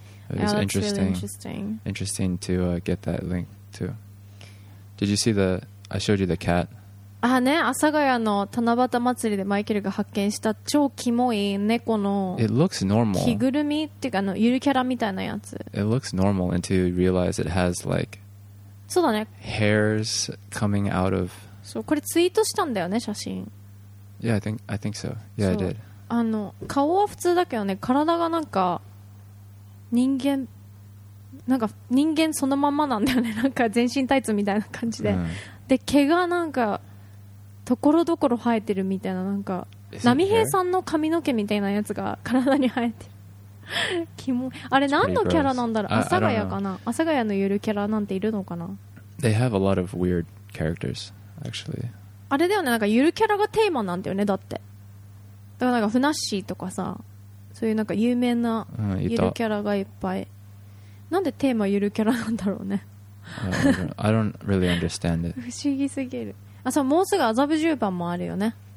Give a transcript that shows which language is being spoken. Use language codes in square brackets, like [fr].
[en] It was interesting. Interesting to get that link too. Did you see the? I showed you the cat. [ja] Ah, ね、阿佐ヶ谷の七夕祭りでマイケルが発見した超キモい猫の。 [en] It looks normal. [ja] 着ぐるみっていうかあのゆるキャラみたいなやつ。 [en] It looks normal until you realize it has like. [ja] そうだね。 [en] Hairs coming out of. [ja] そう、これツイートしたんだよね、写真。 [en] Yeah, I think so. Yeah, I did. [ja] あの顔は普通だけどね体がなんか人間なんか人間そのままなんだよねなんか全身タイツみたいな感じで、うん、で毛がなんかところどころ生えてるみたいななんか波平さんの髪の毛みたいなやつが体に生えてキモあれ何のキャラなんだろう阿佐ヶ谷かな阿佐ヶ谷のゆるキャラなんているのかな [en] They have a lot of weird characters actually [ja] あれだよねなんかゆるキャラがテーマなんだよねだってだからなんかフナッシーとかさそういうなんか有名なゆるキャラがいっぱい、うん、なんでテーマゆるキャラなんだろうね [en] I don't really understand it [ja] 不思議すぎるあそうもうすぐ麻布十番もあるよね